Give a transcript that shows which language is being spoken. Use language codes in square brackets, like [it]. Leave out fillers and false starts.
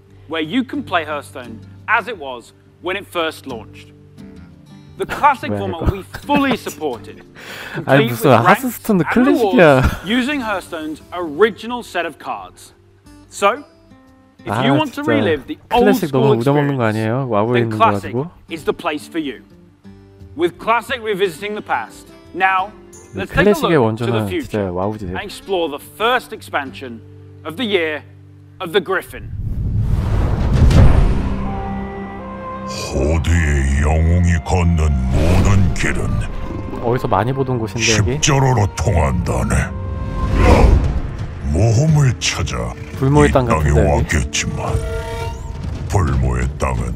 [en] Where you can play Hearthstone as it was when it first launched. The classic format we fully supported. [ko] 아니 무슨 하스스톤도 클래식이야. [en] Using Hearthstone's original set of cards. So, if you want to relive the old school experience, then classic is the place for you. With classic revisiting the past, now let's take a look to the future and explore the first expansion of the Year of the Griffin. [ko] 호드의 영웅이 걷는 모든 길은 어디서 많이 보던 곳인데 여기? 십자로로 통한다네. 모험을 찾아 불모의 땅 같은데 여기? 왔겠지만 불모의 땅은